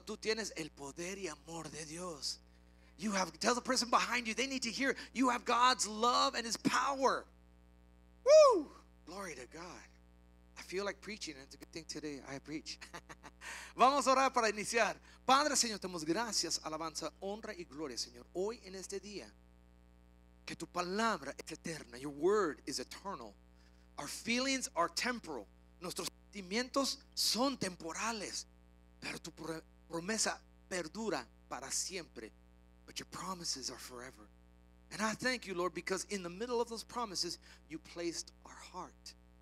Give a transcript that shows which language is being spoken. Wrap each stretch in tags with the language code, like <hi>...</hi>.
<es>Tú tienes el poder y amor de Dios.</es> <en>You have, tell the person behind you, they need to hear, you have God's love and his power. Woo! Glory to God. I feel like preaching, and it's a good thing today I preach.</en> <es>Vamos a orar para iniciar. Padre, Señor, te damos gracias, alabanza, honra y gloria, Señor, hoy en este día. Que tu palabra es eterna.</es> <en>Your word is eternal. Our feelings are temporal.</en> <es>Nuestros sentimientos son temporales, pero tu promesa perdura para siempre.</es> <en>But your promises are forever. And I thank you, Lord, because in the middle of those promises, you placed our heart.</en>